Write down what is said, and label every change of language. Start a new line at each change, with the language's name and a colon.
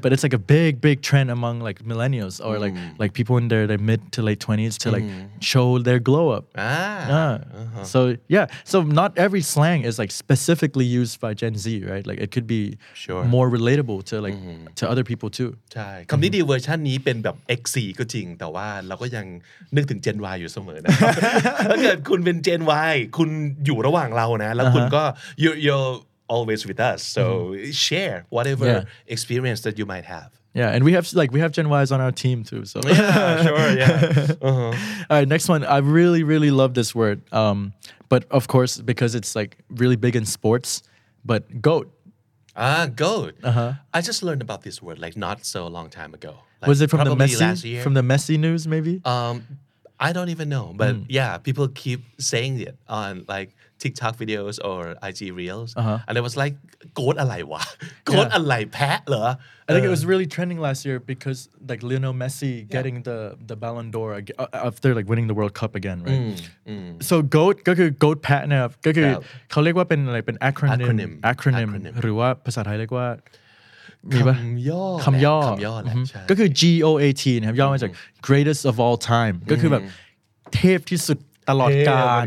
English: But it's like a big, big trend among like millennials or like people in their mid to late 20s to like show their glow up. So yeah. So not every slang is like specifically used by Gen Z, right? Like it could be more relatable to like to other people too.
Thai: ใช่คำนี้ดีเวอร์ชันนี้เป็นแบบ X4 ก็จริงแต่ว่าเราก็ยังนึกถึง Gen Y อยู่เสมอนะถ้าเกิดคุณเป็น Gen Y คุณอยู่ระหว่างเรานะแล้วคุณก็
English: you're always with us so share whatever experience that you might have. Yeah, and we have Gen Ys on our team too. So All right, next one. I really really love this word. But of course because it's like really big in sports, but goat. Goat. Uh-huh. I just learned about this word like not so long time ago. Like, was it from the Messi? From the Messi news, maybe? I don't even know, but yeah, people keep saying it on like TikTok videos or IG reels, uh-huh. and it was like goat
Thai: อะไรวะ
English: goat
Thai: อะไรแพะเหรอ
English: I think it was really trending last year because like Lionel Messi getting the Ballon d'Or after like winning the World Cup again, right? Mm, mm.
Thai: So goat ก็คือ goat แพะนะครับก็คือเขาเรียกว่าเป็นอะไรเป็น
English: acronym
Thai: หรือว่าภาษาไทยเรียกว่า คำย่อ คำย่อ คำย่อ แ หละ ก็คือ GOAT นะครับย่อมาจาก
English: greatest of all time
Thai: ก็คือแบบเทพที่สุดตลอดกาล